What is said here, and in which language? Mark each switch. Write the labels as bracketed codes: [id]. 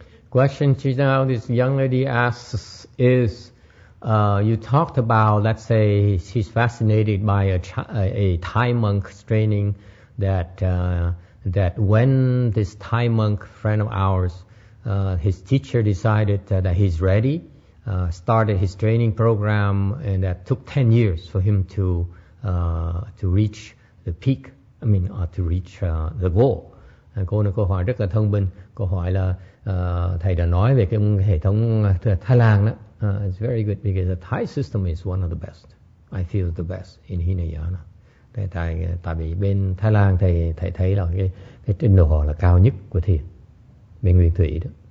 [en] Question to now this young lady asks is, you talked about, let's say she's fascinated by a Thai monk training, that when this Thai monk friend of ours, his teacher decided that he's ready, started his training program, and that took 10 years for him to reach the peak, to reach the goal. [vi] Cô này câu hỏi rất là thông minh. Cô hỏi là thầy đã nói về cái hệ thống Thái Lan đó. [en] It's very good because the Thai system is one of the best. I feel the best in Hinayana. [vi] Tại vì bên Thái Lan thầy thấy là cái trình độ họ là cao nhất của thiền. Bên Nguyên Thủy đó.